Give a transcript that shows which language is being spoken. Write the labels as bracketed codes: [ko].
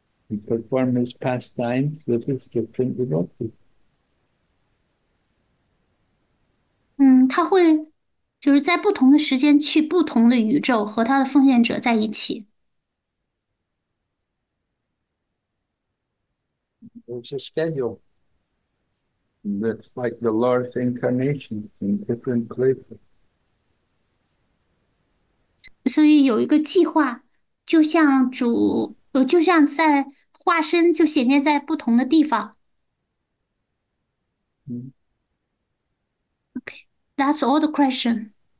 [en] He performs his pastimes with his different devotees. [zh] 他会就是在不同的时间去不同的宇宙，和他的奉献者在一起。 [en] There's a schedule. That's like the Lord's incarnation in different places. [zh] 所以有一个计划，就像主，就像在化身，就显现在不同的地方。 [en] OK，that's all the question.